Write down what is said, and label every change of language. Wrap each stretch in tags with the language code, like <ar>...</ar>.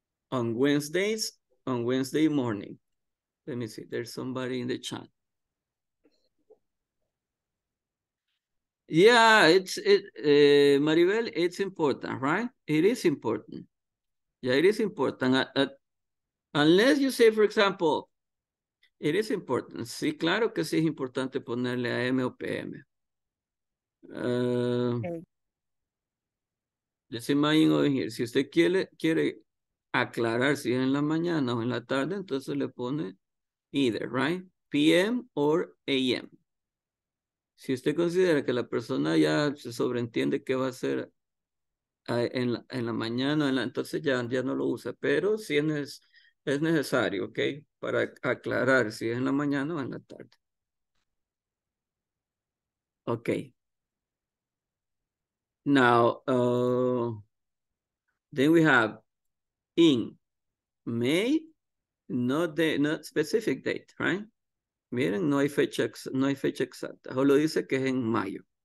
<en>On Wednesday morning. Let me see, there's somebody in the chat. Yeah, Maribel, it's important, right? It is important. Yeah, it is important. Unless you say, for example, it is important.</en> <es>Sí, claro que sí es importante ponerle AM o PM. Okay.</es> <en>Let's imagine over here.</en> <es>Si usted quiere aclarar si es en la mañana o en la tarde, entonces le pone</es> <en>either, right?</en> <es>PM or AM. Si usted considera que la persona ya se sobreentiende qué va a hacer en la mañana, entonces ya no lo usa. Pero sí es necesario, ¿ok? Para aclarar si es en la mañana o en la tarde. Ok.</es> <en>Now, then we have in May, not specific date, right?</en> <es>Miren, no hay fecha exacta. Solo dice que es en mayo.</es>